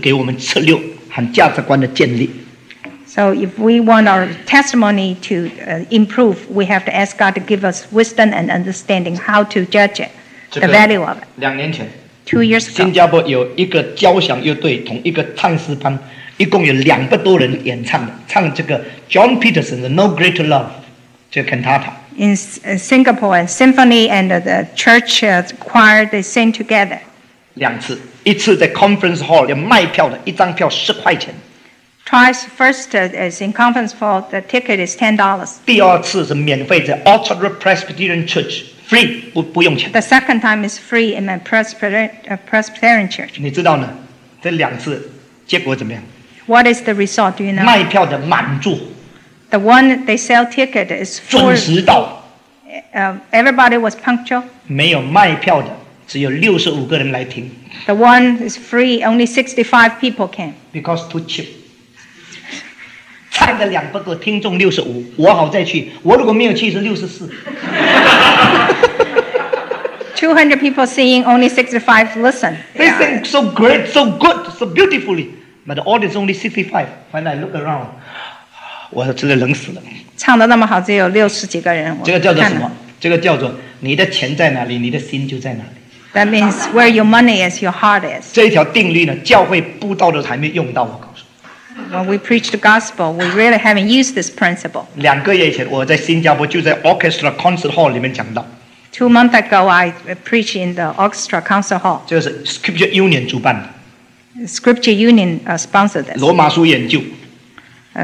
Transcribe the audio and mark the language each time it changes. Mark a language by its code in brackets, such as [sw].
[zh] 我们的见证，我们的生活怎么样达到更大的国效？我们需要一些智慧，求主给我们策略和价值观的建立。 [en] So if we want our testimony to improve, we have to ask God to give us wisdom and understanding how to judge it, the value of it. [zh] 2年前, [en] 2 years ago, [zh] 新加坡有一个交响乐队同一个唱诗班，一共有200多人演唱的，唱这个 John Peterson's No Greater Love, 这个 cantata. [en] In Singapore, a symphony and the church choir, they sing together. [zh] 两次, 一次在 conference hall, 要卖票的，一张票10块钱。 [en] Twice, first is in conference hall, the ticket is $10. [zh] 第二次是免费的, Orchard Road Presbyterian Church, free, 不用钱。 [en] The second time is free in a Presbyterian Church. [zh] 你知道呢,这两次结果怎么样? [en] What is the result, do you know? [zh] 卖票的满座。 [en] The one they sell ticket is full. [zh] 准时到。 [en] Everybody was punctual. [zh] 没有卖票的。只有65个人来听。 [en] The one is free, only 65 people came. Because too cheap. [zh] 唱的两百个，听众65，我好再去。我如果没有去是64。 [en] 200 people singing, only 65 listen. They sing so great, so good, so beautifully, but the audience only 65. When I look around, [zh] 我真的冷死了。唱的那么好，只有60几个人。这个叫做什么？这个叫做你的钱在哪里，你的心就在哪里。 [en] That means where your money is, your heart is. [zh] 这条定律呢，教会布道的还没用到，我告诉你。 [en] When we preach the gospel, we really haven't used this principle. [zh] 2个月前，我在新加坡就在 orchestra concert hall 里面讲到。2 [en] months ago, I preached in the orchestra concert hall. [zh] 这是 Scripture Union 主办的。Scripture [en] Union sponsored this. [zh] 罗马书研究。 [en] I